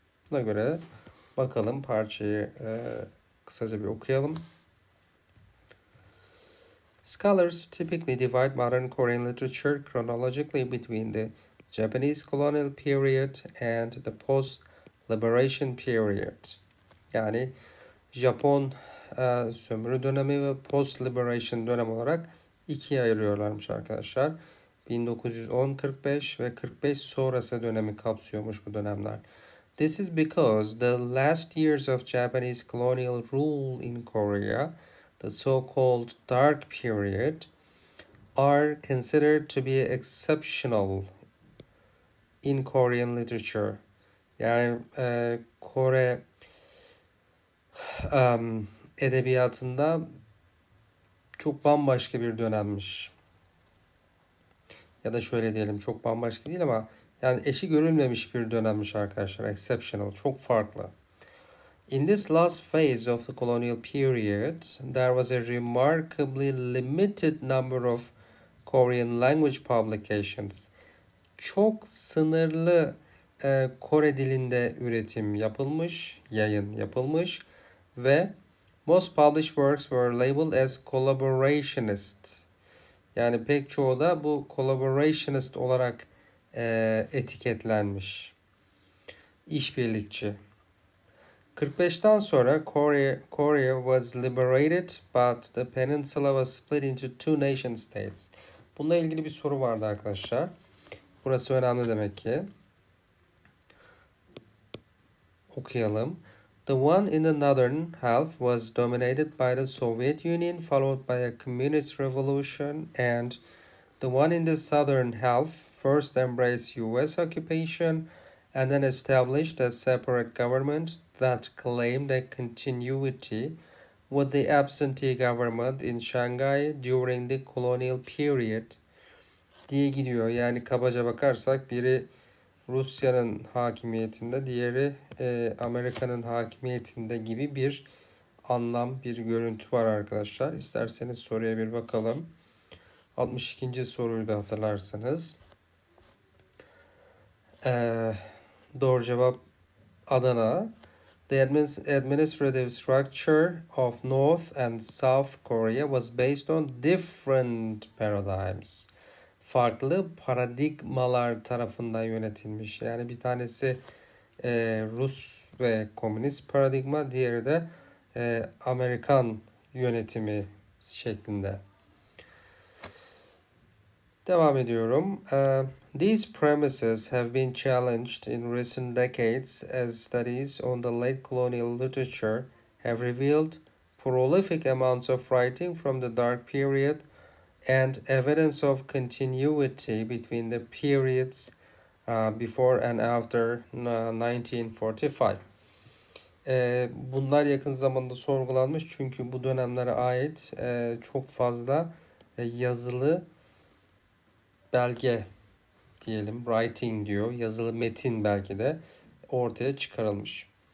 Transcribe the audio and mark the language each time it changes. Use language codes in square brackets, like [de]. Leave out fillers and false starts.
[tr] Buna göre bakalım parçayı kısaca bir okuyalım. [en] Scholars typically divide modern Korean literature chronologically between the Japanese colonial period and the post-liberation period. [tr] Yani Japon sömürü dönemi ve post-liberation dönem olarak ikiye ayırıyorlarmış arkadaşlar. 1910-45 ve 45 sonrası dönemi kapsıyormuş bu dönemler. [en] This is because the last years of Japanese colonial rule in Korea, the so-called dark period, are considered to be exceptional in Korean literature. [tr] Yani Kore edebiyatında çok bambaşka bir dönemmiş. Ya da şöyle diyelim, çok bambaşka değil ama yani eşi görülmemiş bir dönemmiş arkadaşlar. Exceptional, çok farklı. [en] In this last phase of the colonial period, there was a remarkably limited number of Korean language publications. [tr] Çok sınırlı Kore dilinde üretim yapılmış, yayın yapılmış ve [en] most published works were labeled as collaborationist. [tr] Yani pek çoğu da bu collaborationist olarak etiketlenmiş. İşbirlikçi. 45'ten sonra [en] Korea was liberated but the peninsula was split into two nation states. [tr] Bununla ilgili bir soru vardı arkadaşlar. Burası önemli demek ki. Okuyalım. [en] The one in the northern half was dominated by the Soviet Union followed by a communist revolution and the one in the southern half first embraced US occupation and then established a separate government that claimed a continuity with the absentee government in Shanghai during the colonial period [tr] diye gidiyor. Yani kabaca bakarsak biri Rusya'nın hakimiyetinde, diğeri Amerika'nın hakimiyetinde gibi bir anlam, bir görüntü var arkadaşlar. İsterseniz soruya bir bakalım. 62. soruyu da hatırlarsınız. Doğru cevap Adana. [en] administrative structure of North and South Korea was based on different paradigms. [tr] Farklı paradigmalar tarafından yönetilmiş. Yani bir tanesi Rus ve komünist paradigma, diğeri de Amerikan yönetimi şeklinde. Devam ediyorum. [en] These premises have been challenged in recent decades as studies on the late colonial literature have revealed prolific amounts of writing from the dark period and evidence of continuity between the periods before and after 1945. [tr] Bunlar yakın zamanda sorgulanmış çünkü bu dönemlere ait çok fazla yazılı belge diyelim, writing diyor, yazılı metin belki de ortaya çıkarılmış.